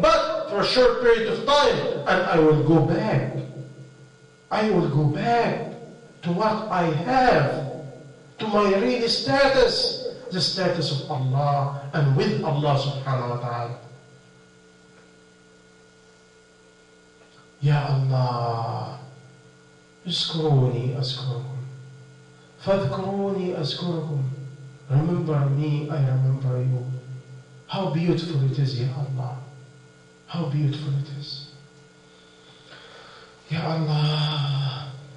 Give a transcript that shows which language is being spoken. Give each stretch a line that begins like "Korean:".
English: But for a short period of time, and I will go back. I will go back to what I have, to my real status, the status of Allah and with Allah subhanahu wa ta'ala.
Arabic: Ya Allah, اذكروني أذكركم فاذكروني أذكركم.
English: Remember me, I remember you. How beautiful it is, Ya Allah. How beautiful it is. Ya Allah.